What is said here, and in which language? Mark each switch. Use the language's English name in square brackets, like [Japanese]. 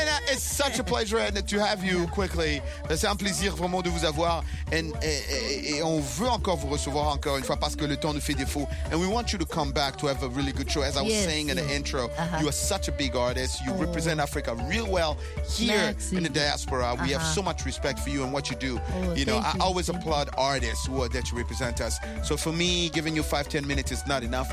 [English] It's such a pleasure to have you quickly. [French] C'est un plaisir vraiment de vous avoir. Et on veut encore vous recevoir encore une fois parce que le temps nous fait défaut. [English] And we want you to come back to have a really good show. As I was saying in the intro, you are such a big artist. You represent Africa real well here in the diaspora. We have so much respect for you and what you do. You know, I always applaud artists who are there to represent us. So for me, giving you 5-10 minutes is not enough.